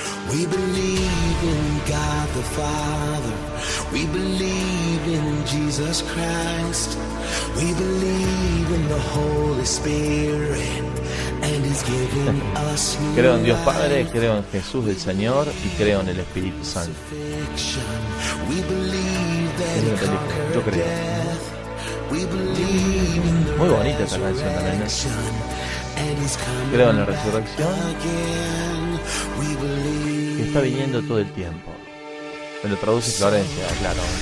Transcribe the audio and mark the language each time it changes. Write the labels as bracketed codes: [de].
[en] We believe in God the Father. We believe in Jesus Christ. We believe in the Holy Spirit and He's given us new life. [es] Creo en Dios Padre, creo en Jesús el Señor y creo en el Espíritu Santo. [en] We believe that He conquered death. We believe in the [es] muy bonita esta canción también, ¿eh? Creo en la resurrección. Está viniendo todo el tiempo. Me lo traduce Florencia, claro.